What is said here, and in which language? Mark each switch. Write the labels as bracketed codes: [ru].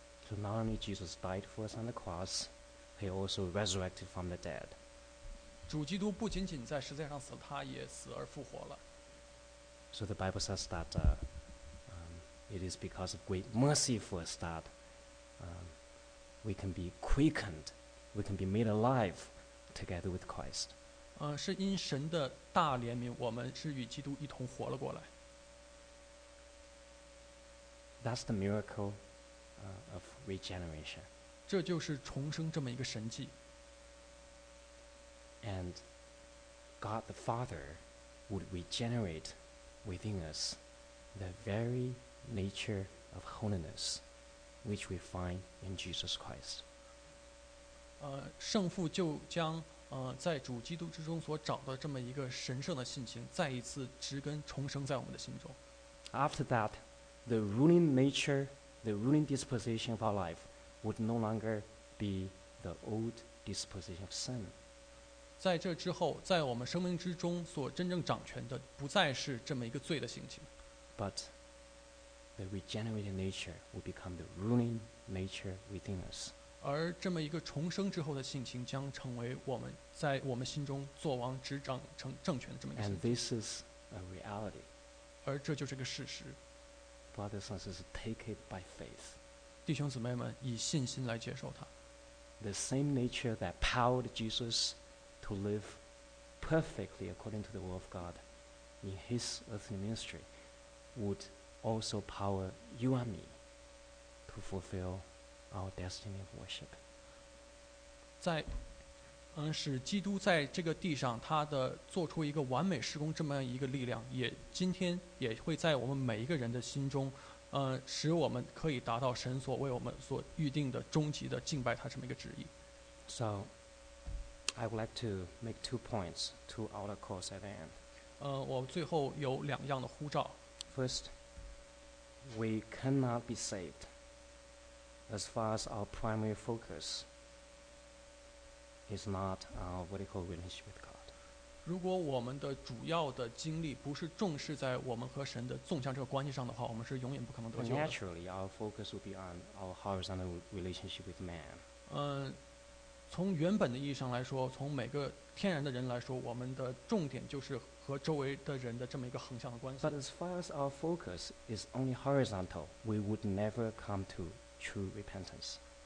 [en] So not only Jesus died for us on the cross, he also resurrected from the dead. [zh] 主基督不仅仅在十字架上死了，他也死而复活了。 [en] So the Bible says that it is because of great mercy for us that we can be quickened, we can be made alive together with Christ. [zh] 是因神的大怜悯，我们是与基督一同活了过来。 [en] That's the miracle of regeneration. [zh] 这就是重生这么一个神迹。 [en] And God the Father would regenerate within us the very nature of holiness which we find in Jesus Christ. [zh] 圣父就将在主基督之中所找到这么一个神圣的性情再一次植根重生在我们的心中。 [en] After that, the ruling nature, the ruling disposition of our life would no longer be the old disposition of sin. [zh] 在这之后，在我们生命之中所真正掌权的，不再是这么一个罪的性情。 [en] But the regenerated nature will become the ruling nature within us. [zh] 而这么一个重生之后的性情，将成为我们在我们心中作王、执掌、政权的这么一个性情。 [en] And this is a reality. [zh] 而这就是个事实。 [en] Brothers and sisters, take it by faith. [zh] 弟兄姊妹们，以信心来接受它。 [en] The same nature that powered Jesus. To live perfectly according to the will of God in his earthly ministry would also power you and me to fulfill our destiny of worship. [zh] 在使基督在这个地上他的做出一个完美事工这么一个力量也今天也会在我们每一个人的心中使我们可以达到神所为我们所预定的终极的敬拜他这么一个旨意。 [en] So,I would like to make two points, two outer calls at the end. [zh] 我最后有两样的呼召。 [en] First, we cannot be saved as far as our primary focus is not our vertical relationship with God. [zh] 如果我们的主要的精力不是重视在我们和神的纵向这个关系上的话，我们是永远不可能得救的。 [en] Naturally, our focus will be on our horizontal relationship with man. [zh] 从原本的意义上来说，从每个天然的人来说，我们的重点就是和周围的人的这么一个横向的关系。 [en] But as far as our focus is only horizontal, we would never come to true repentance.